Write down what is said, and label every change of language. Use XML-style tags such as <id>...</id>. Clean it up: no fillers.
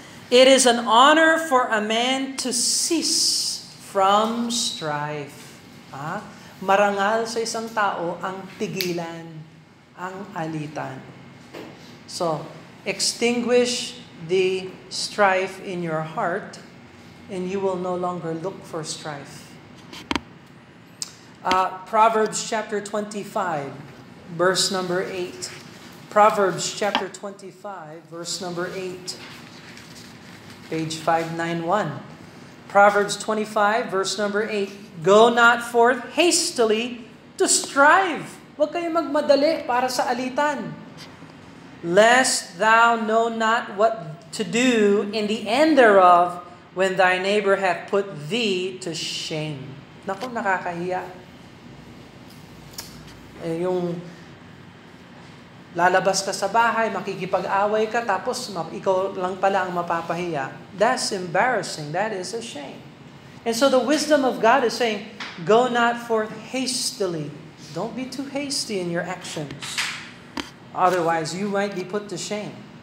<en>It is an honor for a man to cease from strife.</en> <tl>Ah, marangal sa isang tao ang tigilan, ang alitan.</tl> <en>So, extinguish the strife in your heart and you will no longer look for strife. Proverbs chapter 25, verse number 8. Proverbs chapter 25, verse number 8. Page 591. Proverbs 25, verse number 8. Go not forth hastily to strive.</en> <tl>Huwag kayong magmadali para sa alitan.</tl> <en>Lest thou know not what to do in the end thereof when thy neighbor hath put thee to shame.</en> <tl>Naku, nakakahiya. Yung lalabas ka sa bahay, makikipag-away ka, tapos ikaw lang pala ang mapapahiya.</tl> <en>That's embarrassing. That is a shame. And so the wisdom of God is saying, go not forth hastily. Don't be too hasty in your actions. Otherwise, you might be put to shame.</en>